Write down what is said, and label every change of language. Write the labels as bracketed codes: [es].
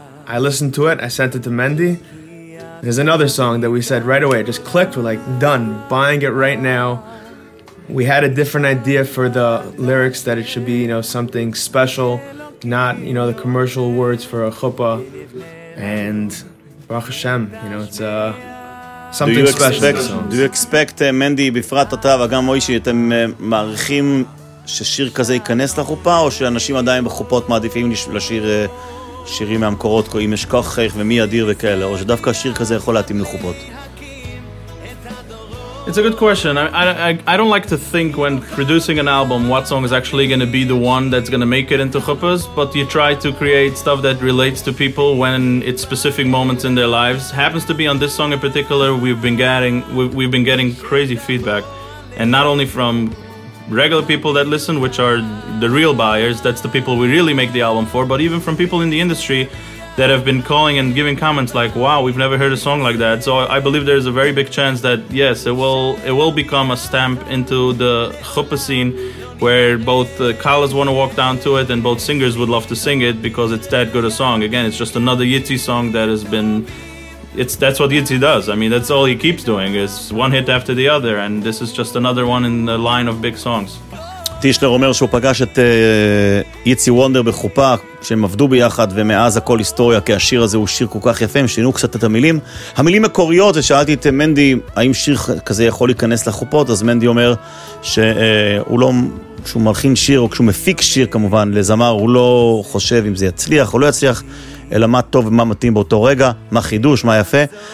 [en] I listened to it. I sent it to Mendy. There's another song that we said right away. It just clicked. We're like, done. Buying it right now. We had a different idea for the lyrics that it should be, you know, something special, not, you know, the commercial words for a chuppah. And Baruch Hashem, you know, it's something special. Do you expect [he] Mendy, בפרט אתה וגם מוישי, אתם מעריכים ששיר כזה ייכנס לחופה, או שאנשים עדיין בחופות מעדיפים לשיר שירים מהמקורות, אם יש כוח חייך ומי אדיר וכאלה, או שדווקא שיר כזה יכול להתאים לחופות? [en] It's a good question. I don't like to think when producing an album what song is actually going to be the one that's going to make it into chuppas, but you try to create stuff that relates to people when it's specific moments in their lives. Happens to be on this song in particular, we've been getting crazy feedback, and not only from regular people that listen, which are the real buyers, that's the people we really make the album for, but even from people in the industry that have been calling and giving comments like, wow, we've never heard a song like that. So I believe there's a very big chance that, yes, it will become a stamp into the chuppah scene, where both the callers want to walk down to it and both singers would love to sing it because it's that good a song. Again, it's just another Yitzi song that has been... That's what Yitzi does. I mean, that's all he keeps doing, is one hit after the other, and this is just another one in the line of big songs. [he] טישנר אומר שהוא פגש את יצי וונדר בחופה כשהם עבדו ביחד, ומאז הכל היסטוריה, כי השיר הזה הוא שיר כל כך יפה, הם שינו קצת את המילים. המילים מקוריות, ושאלתי את מנדי האם שיר כזה יכול להיכנס לחופות, אז מנדי אומר שהוא לא, כשהוא מלחין שיר או כשהוא מפיק שיר כמובן לזמר, הוא לא חושב אם זה יצליח או לא יצליח, אלא מה טוב ומה מתאים באותו רגע, מה חידוש, מה יפה.